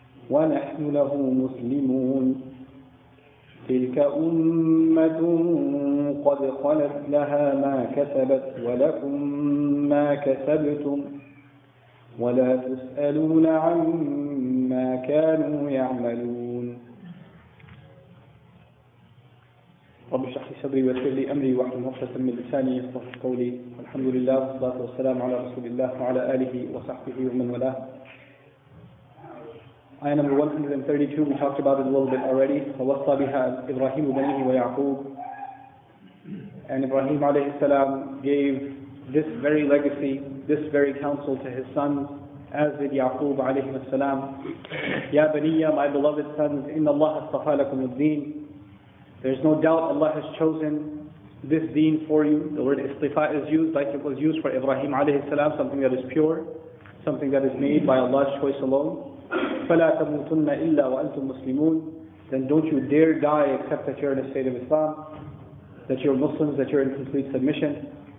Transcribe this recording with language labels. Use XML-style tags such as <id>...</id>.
<ar>ونحن له مسلمون تلك أمة قد خلت لها ما كسبت ولكم ما كسبتم ولا تسألون عما كانوا يعملون رب اشرح لي صدري ويسر لي امري واحلل عقدة من لساني يفقهوا قولي والحمد لله والصلاة والسلام على رسول الله وعلى آله وصحبه ومن والاه.</ar> <en>آية number 132, we talked about it a little bit already.</en> <ar>فوصى بها إبراهيم بنيه ويعقوب.</ar> <en>And Ibrahim عليه السلام gave this very legacy, this very counsel to his sons, as did يعقوب عليه السلام.</en> <ar>يا بنية,</ar> <en>my beloved sons,</en> <ar>إن الله اصطفى لكم الدين.</ar> <en>There's no doubt Allah has chosen this deen for you. The word istifa is used like it was used for Ibrahim alayhi salam, something that is pure, something that is made by Allah's choice alone.</en> <ar>فَلَا تَمُوتُنَّ إِلَّا وَأَنْتُمْ مُسْلِمُونَ</ar> <en>Then don't you dare die except that you're in a state of Islam, that you're Muslims, that you're in complete submission.</en>